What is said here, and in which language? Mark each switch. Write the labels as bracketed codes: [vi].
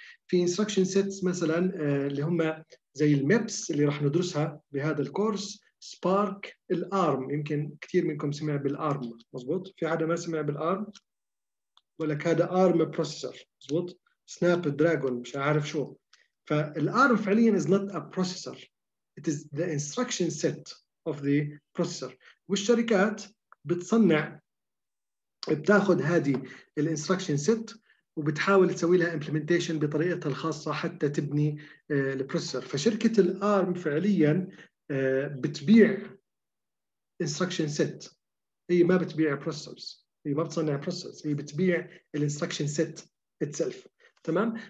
[ar] في instruction sets مثلا اللي هم زي الميبس اللي راح ندرسها بهذا الكورس، سبارك، الارم، يمكن كثير منكم سمع بالارم، مزبوط؟ في حدا ما سمع بالارم؟ بقول لك هذا ارم بروسيسور، مزبوط؟ سناب دراجون مش عارف شو. فالارم فعليا [en] is not a processor. It is the instruction set of the processor. [ar] والشركات بتصنع بتاخذ هذه الانستركشن سيت وبتحاول تسوي لها امبلمنتيشن بطريقتها الخاصه حتى تبني البروسيسور. فشركه الارم فعليا بتبيع انستركشن سيت، هي ما بتبيع بروسيسورز، هي ما بتصنع بروسيسورز، هي بتبيع الانستركشن سيت اتسلف. تمام.